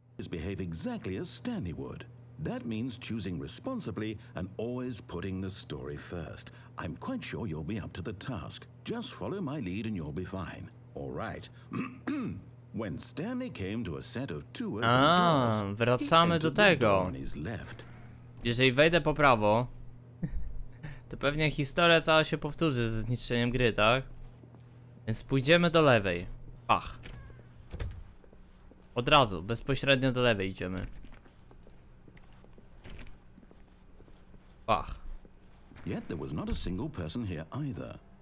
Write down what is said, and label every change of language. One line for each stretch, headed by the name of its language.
English: Behave exactly as Stanley would. That means choosing responsibly and always putting the story first. I'm quite sure you'll be up to the task. Just follow my lead and you'll be fine. All right. When Stanley came to a set of two open doors,
Polish: wracamy do tego. Jeżeli wejdę po prawo, to pewnie historia cała się powtórzy ze zniszczeniem gry, tak? Więc pójdziemy do lewej. Pach. Od razu, bezpośrednio do lewej idziemy. Pach.
English: Yet there was not a single person here either.